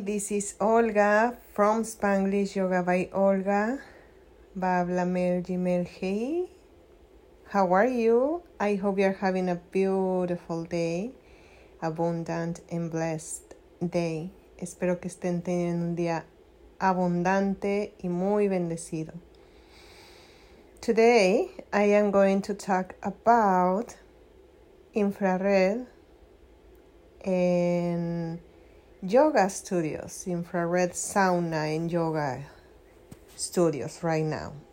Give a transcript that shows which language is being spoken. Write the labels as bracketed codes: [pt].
[en] This is Olga from Spanglish Yoga by Olga. Babla mel gmail. Hey, how are you? I hope you're having a beautiful day, abundant and blessed day. [es] Espero que estén teniendo un día abundante y muy bendecido. [en] Today, I am going to talk about infrared and yoga studios, infrared sauna and yoga studios right now.